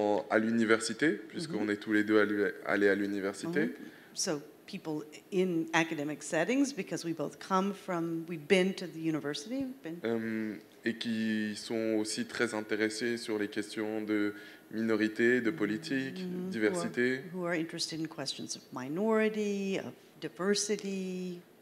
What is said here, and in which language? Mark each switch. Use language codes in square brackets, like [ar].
[fr] À l'université, puisqu'on est tous les deux allés à l'université. [en] So people in academic settings, because we both come from, we've been to the university. [fr] Et qui sont aussi très intéressés sur les questions de minorité, de politique, diversité. [en] Who are interested in questions of minority, of diversity.